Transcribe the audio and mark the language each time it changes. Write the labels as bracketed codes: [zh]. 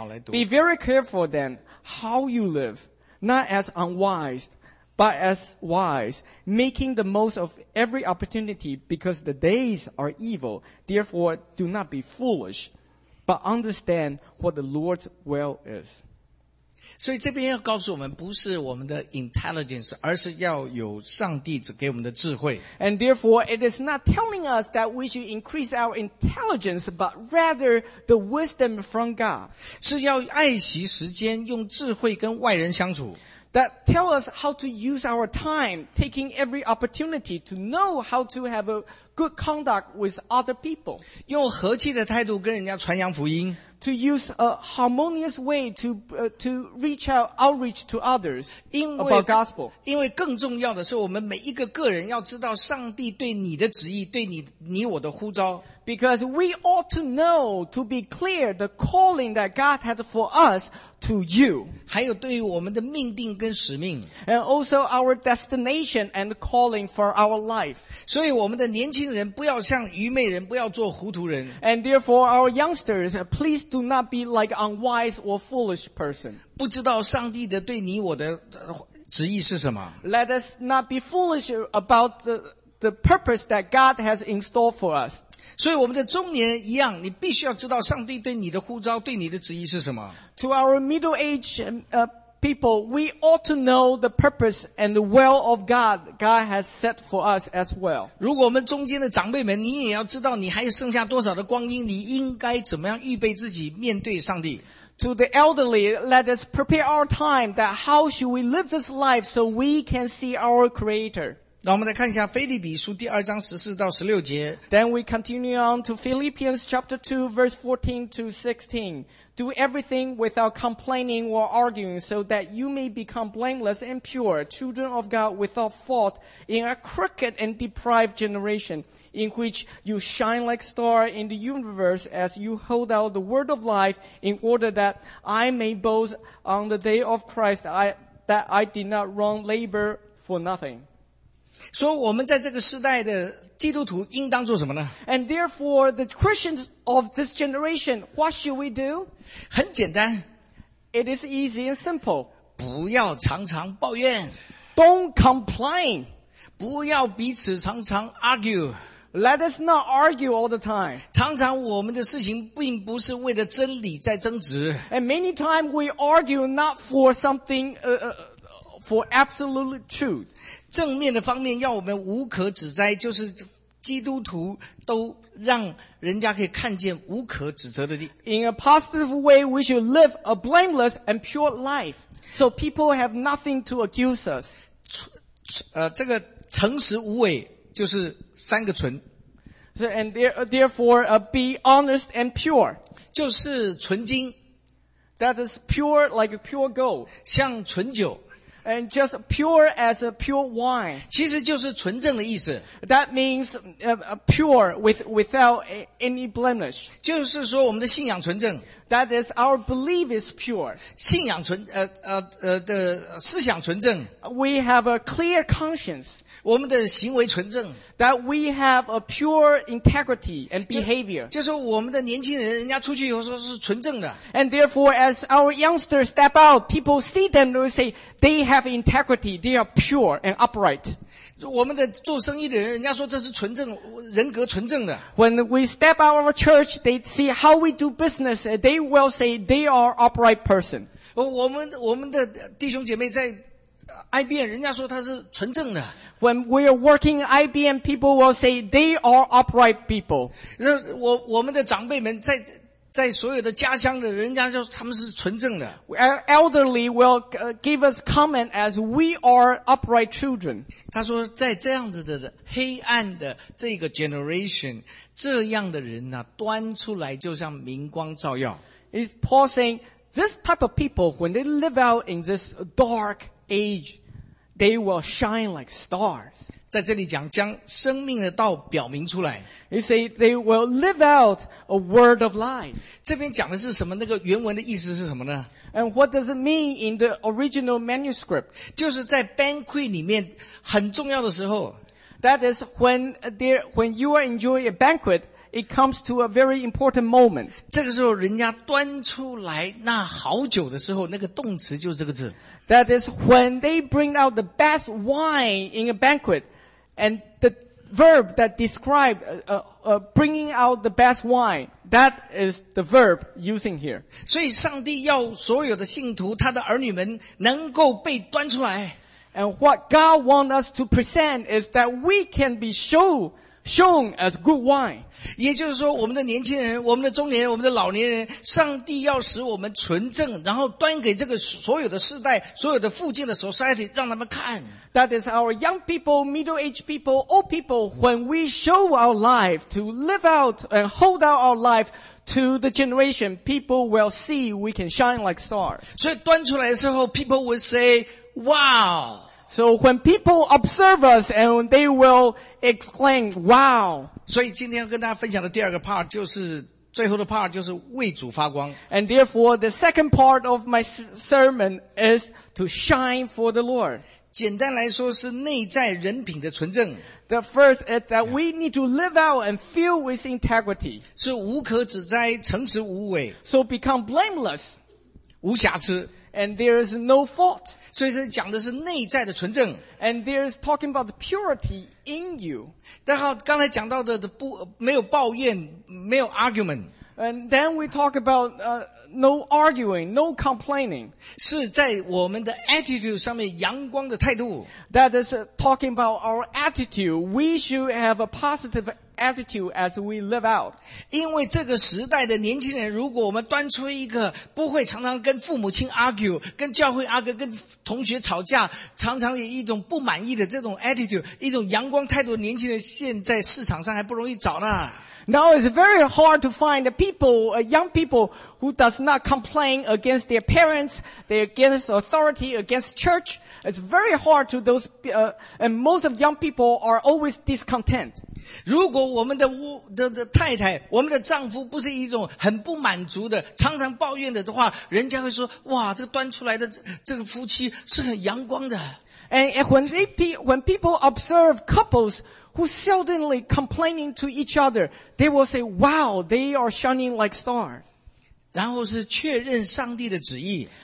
[en] Be very careful then how you live, not as unwise, but as wise, making the most of every opportunity because the days are evil. Therefore, do not be foolish, but understand what the Lord's will is. [zh] 所以这边要告诉我们不是我们的 intelligence, 而是要有上帝给我们的智慧。 [en] And therefore, it is not telling us that we should increase our intelligence, but rather the wisdom from God. [zh] 是要爱惜时间用智慧跟外人相处。 [en] That tell us how to use our time, taking every opportunity to know how to have a good conduct with other people. [zh] 用和气的态度跟人家传扬福音。 [en] To use a harmonious way to reach outreach to others about gospel. [zh] 因为更重要的是我们每一个个人要知道上帝对你的旨意对你我的呼召。 [en] Because we ought to know to be clear the calling that God had for us to you. [zh] 还有对于我们的命定跟使命。 [en] And also our destination and calling for our life. [zh] 所以我们的年轻人不要像愚昧人不要做糊涂人。 [en] And therefore our youngsters, please do not be like unwise or foolish person. [zh] 不知道上帝的对你我的旨意是什么。 [en] Let us not be foolish about the purpose that God has in store for us. [zh] 所以我们的中年人一样，你必须要知道上帝对你的呼召、对你的旨意是什么。 [en] To our middle-aged people, we ought to know the purpose and the will of God God has set for us as well. [zh] 如果我们中间的长辈们，你也要知道你还剩下多少的光阴，你应该怎么样预备自己面对上帝。 [en] To the elderly, let us prepare our time that how should we live this life so we can see our Creator. [zh] 那我们来看一下腓立比书第二章十四到十六节。 [en] Then we continue on to Philippians chapter 2 verse 14 to 16. Do everything without complaining or arguing so that you may become blameless and pure, children of God without fault in a crooked and deprived generation, in which you shine like star in the universe as you hold out the word of life in order that I may boast on the day of Christ that I did not run labor for nothing. [zh] 说我们在这个时代的基督徒应当做什么呢 [en] ？And therefore, the Christians of this generation, what should we do? [zh] 很简单 [en] ，It is easy and simple. [zh] 不要常常抱怨 [en] ，Don't complain. [zh] 不要彼此常常 argue. [en] Let us not argue all the time. [zh] 常常我们的事情并不是为了真理在争执 [en] ，And many times we argue not for something, for absolute truth. [zh] 正面的方面要我们无可指摘，就是基督徒都让人家可以看见无可指责的地。 [en] In a positive way, we should live a blameless and pure life, so people have nothing to accuse us. [zh] 这个诚实无伪就是三个纯。 [en] So, and therefore, be honest and pure. [zh] 就是纯金。 [en] That is pure, like a pure gold. [zh] 像纯酒。 [en] And just pure as a pure wine. [zh] 其实就是纯正的意思。 [en] That means pure without any blemish. [zh] 就是说我们的信仰纯正。 [en] That is our belief is pure. [zh] 信仰纯的思想纯正。 [en] We have a clear conscience. [zh] 我们的行为纯正。 [en] That we have a pure integrity and behavior. [zh] 就是我们的年轻人，人家出去以后说是纯正的。 [en] And therefore, as our youngsters step out, people see them and they say they have integrity. They are pure and upright. [zh] 我们的做生意的人，人家说这是纯正，人格纯正的。 [en] When we step out of a church, they see how we do business. They will say they are upright person. [zh] 我们的弟兄姐妹在IBM, 人家说他是纯正的。 [en] When we are working in IBM, people will say they are upright people. [zh] 我们的长辈们在所有的家乡的人家说他们是纯正的。 [en] Our elderly will give us comment as we are upright children. [zh] 他说在这样子的黑暗的这个 generation, 这样的人啊端出来就像明光照耀。 [en] Is Paul saying, this type of people, when they live out in this dark,Age, they will shine like stars. [zh] 在这里讲将生命的道表明出来。 [en] You say they will live out a word of life. [zh] 这边讲的是什么？那个原文的意思是什么呢 [en] ？And what does it mean in the original manuscript? [zh] 就是在 banquet 里面很重要的时候。 [en] That is when you are enjoying a banquet, it comes to a very important moment. [zh] 这个时候人家端出来那好酒的时候，那个动词就是这个字。 [en] That is when they bring out the best wine in a banquet, and the verb that describes bringing out the best wine, that is the verb using here. [zh] 所以上帝要所有的信徒，他的儿女们能够被端出来。 [en] And what God wants us to present is that we can be shown as good wine. [zh] 也就是说我们的年轻人我们的中年人我们的老年人上帝要使我们纯正然后端给这个所有的世代所有的附近的 society 让他们看。 [en] That is our young people, middle-aged people, old people, when we show our life to live out and hold out our life to the generation, people will see we can shine like stars. [zh] 所以端出来的时候 [en] people will say, wow! So when people observe us and they will exclaim, wow. [zh] 所以今天要跟大家分享的第二个 part 就是最后的 part 就是为主发光。 [en] And therefore the second part of my sermon is to shine for the Lord. [zh] 简单来说是内在人品的纯正。 [en] The first is that we need to live out and fill with integrity. [zh] 是无可指摘诚实无伪。 [en] So become blameless. [zh] 无瑕疵。 [en] And there is no fault. [zh] 所以是讲的是内在的纯正。 [en] And there is talking about the purity in you. [zh] 然后刚才讲到的没有抱怨，没有 argument. [en] And then we talk about no arguing, no complaining. [zh] 是在我们的 attitude 上面阳光的态度。 [en] That is talking about our attitude. We should have a positive attitude as we live out. [zh] 因为这个时代的年轻人，如果我们端出一个不会常常跟父母亲 argue， 跟教会 argue， 跟同学吵架，常常有一种不满意的这种 attitude， 一种阳光态度的年轻人，现在市场上还不容易找呢。 [en] Now it's very hard to find people, young people who does not complain against their parents, they against authority, against church. It's very hard to those, and most of young people are always discontent. [zh] 如果我们 的太太，我们的丈夫不是一种很不满足的，常常抱怨的话，人家会说，哇，这个端出来的这个夫妻是很阳光的。 [en] And when people observe couples who seldomly complaining to each other, they will say, wow, they are shining like stars. [zh] 然后是确认上帝的旨意。